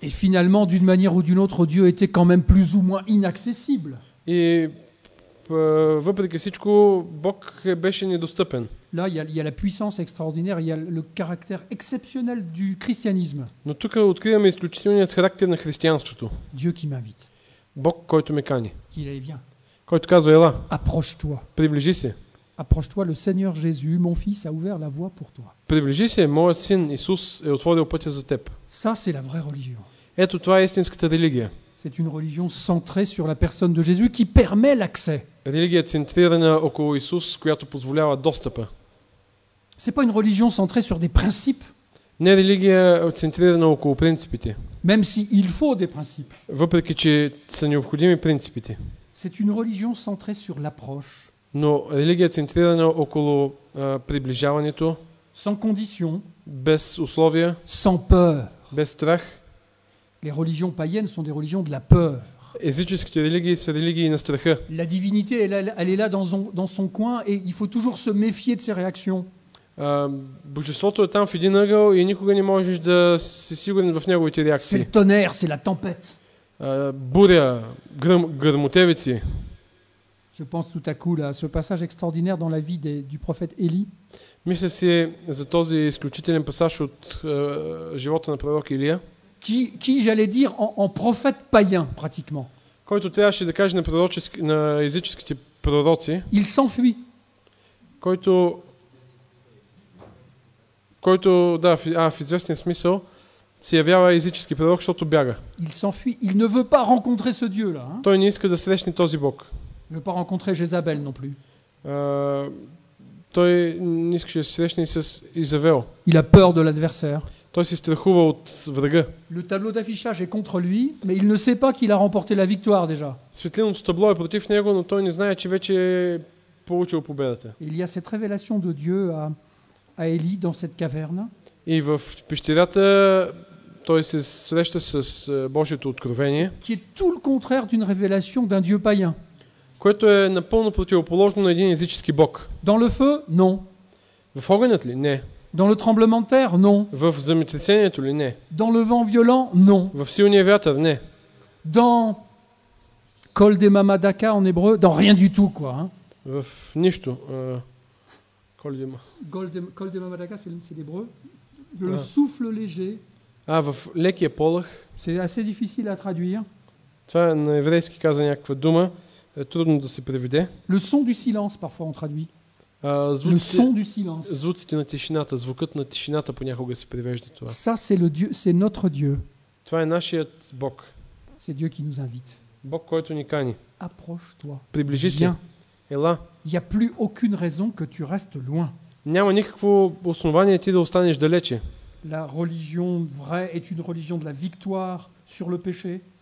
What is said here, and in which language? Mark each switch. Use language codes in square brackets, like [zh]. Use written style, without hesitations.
[fr] Et finalement d'une manière ou d'une autre Dieu était quand même plus ou moins inaccessible. [bg] И въпреки всичко Бог беше недостъпен. [fr] Là, il y a la puissance extraordinaire, il y a le caractère exceptionnel du christianisme. [bg] Но тук откриваме изключителният характер на християнството. [fr] Dieu qui m'invite. [bg] Бог, който ме кани. [fr] Qui dit viens. [bg] Който казва ела. [fr] Approche-toi. [bg] Приближи се. [fr] Approche-toi, le Seigneur Jésus, mon fils, a ouvert la voie pour toi. [bg] Приближи се, моят син Исус е отворил пътя за теб. [fr] Ça, c'est la vraie religion. [bg] Ето това е истинската религия. [fr] C'est une religion centrée sur la personne de Jésus qui permet l'accès. [bg] Религия центрирана около Исус, която позволява достъпа. [fr] C'est pas une religion centrée sur des principes. [bg] Не е религия центрирана около принципите. [fr] Même si il faut des principes. [bg] Въпреки че са необходими принципите. [fr] C'est une religion centrée sur l'approche. [bg] Но религия центрирана около приближаването. [fr] Sans condition. [bg] Без условия. [fr] Sans peur. [bg] Без страх. [fr] Les religions païennes sont des religions de la peur. [bg] Езическите религии са религии на страха. [fr] La divinité, elle est là dans son coin et il faut toujours se méfier de ses réactions. [bg] Божеството е там в един ъгъл и никога не можеш да си сигурен в неговите реакции. [fr] C'est le tonnerre, c'est la tempête. [bg] Буря, гръмотевици. [fr] Je pense tout à coup là, ce passage extraordinaire dans la vie du prophète Élie. [bg] Мисля си за този изключителен пасаж от живота на пророк Илия. [fr] Qui j'allais dire en prophète païen pratiquement. [bg] Който трябваше да каже на езическите пророци. [fr] Il s'enfuit. [bg] Който да, в известен смисъл се явява езически пророк, защото бяга. [fr] Il s'enfuit, il ne veut pas rencontrer ce Dieu là, hein. [bg] Той не иска да срещне този Бог. [fr] Il veut pas rencontrer Jézabel non plus. [bg] Той не иска да срещне с Изавел. [fr] Il a peur de l'adversaire. [bg] Той се страхува от врага. [fr] Le tableau d'affichage est contre lui, mais il ne sait pas qu'il a remporté la victoire déjà. [bg] Светлиното табло е против него, но той не знае, че вече е получил победата. [fr] Il y a cette révélation de Dieu à Élie dans cette caverne. [bg] И в пещерата той се среща с Божието откровение. [fr] Qui est tout le contraire d'une révélation d'un Dieu païen. [bg] Което е напълно противоположно на един езически Бог. [fr] Dans le feu? Non. [bg] В огънят ли? Не. [fr] Dans le tremblement de terre? Non. [bg] В земетресението ли? Не. [fr] Dans le vent violent? Non. [bg] В силния вятър? Не. [fr] Dans Kol de Mamadaka en hébreu? Dans rien du tout, quoi. [bg] В нищо. [fr] Голдема Мадага, c'est l'hébreu. Le souffle léger. [bg] А, в лекия полъх. [fr] C'est assez difficile à traduire. [bg] Това на еврейски казва някаква дума. Е трудно да се преведе. [fr] Le son du silence, parfois on traduit. [bg] Звуците, [fr] le son du silence. [bg] Звуците на тишината, звукът на тишината понякога се превежда това. [fr] Ça, c'est le Dieu, c'est notre Dieu. [bg] Това е нашият Бог. [fr] C'est Dieu qui nous invite. [bg] Бог, който ни кани. [fr] Approche-toi. [bg] Приближи се. Ела. [fr] Il y a plus aucune raison que tu restes loin. [bg] Няма никакво основание ти да останеш далече. [fr] La religion vraie est une religion de la victoire sur le péché.